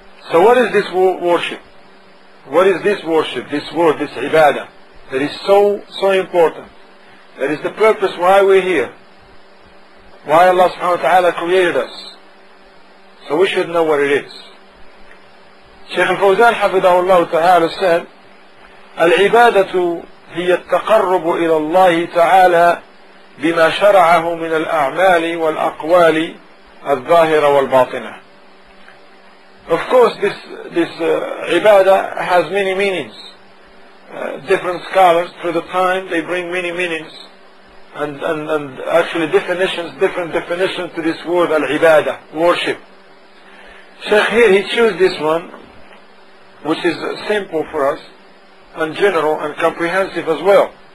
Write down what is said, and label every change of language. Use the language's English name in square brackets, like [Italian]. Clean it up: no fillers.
[English] So what is this worship? What is this worship, this word, this ibadah that is so important? That is the purpose why we're here. Why Allah subhanahu wa ta'ala created us. So we should know what it is. Shaykh al-Fawzan hafidahu Allah ta'ala said, [Arabic] العبادة هي التقرب إلى الله تعالى بما شرعه من الأعمال والأقوال الظاهرة والباطنة. [English] Of course this ibadah has many meanings. Different scholars through the time, they bring many meanings and actually definitions, different definitions to this word al-ibadah, worship. Sheikh here, he chose this one, which is simple for us, and general and comprehensive as well.